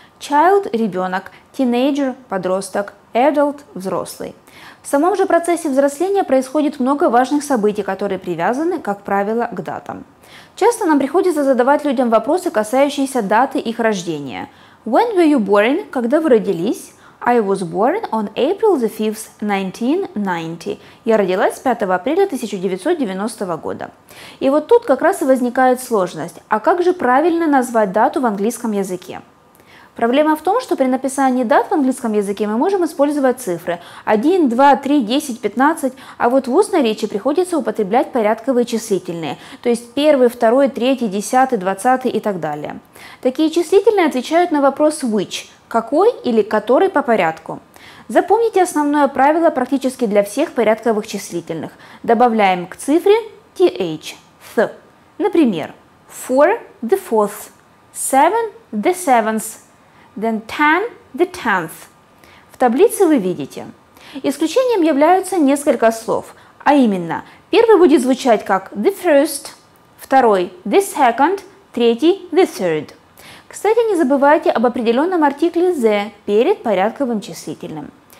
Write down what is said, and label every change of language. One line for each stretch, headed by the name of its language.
Russian: Child – ребенок, teenager – подросток, adult – взрослый. В самом же процессе взросления происходит много важных событий, которые привязаны, как правило, к датам. Часто нам приходится задавать людям вопросы, касающиеся даты их рождения.
English: When were you born?
Russian: Когда вы родились?
English: I was born on April the 5th, 1990.
Russian: Я родилась 5 апреля 1990 года. И вот тут как раз и возникает сложность. А как же правильно назвать дату в английском языке? Проблема в том, что при написании дат в английском языке мы можем использовать цифры 1, 2, 3, 10, 15, а вот в устной речи приходится употреблять порядковые числительные, то есть 1, 2, 3, 10, 20 и так далее. Такие числительные отвечают на вопрос which, какой или который по порядку. Запомните основное правило практически для всех порядковых числительных. Добавляем к цифре th, th.
English: Например, 4 – the 4th, 7 – the 7th, then 10 – the 10th.
Russian: В таблице вы видите. Исключением являются несколько слов, а именно, первый будет звучать как
English: the first,
Russian: второй –
English: the second,
Russian: третий –
English: the third.
Russian: Кстати, не забывайте об определенном артикле the перед порядковым числительным.